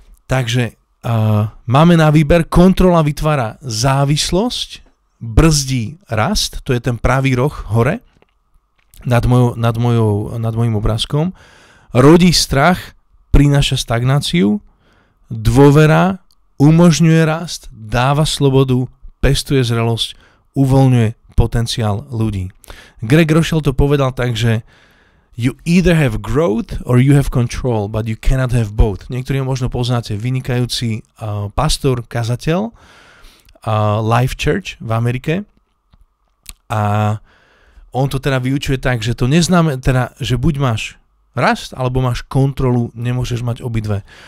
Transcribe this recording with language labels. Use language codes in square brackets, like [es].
[sk] Takže máme na výber, kontrola vytvára závislosť, brzdí rast, to je ten pravý roh hore nad mojim obrázkom, rodí strach, prináša stagnáciu, dôvera umožňuje rast, dáva slobodu, pestuje zrelosť, uvoľňuje potenciál ľudí. Greg Rochel to povedal tak, že [en] you either have growth or you have control, but you cannot have both. [sk] Niektorí ho možno poznáte, vynikajúci pastor, kazateľ Life Church v Amerike. A on to teda vyučuje tak, že to neznamená, teda, že buď máš rast, alebo máš kontrolu, nemôžeš mať obidve.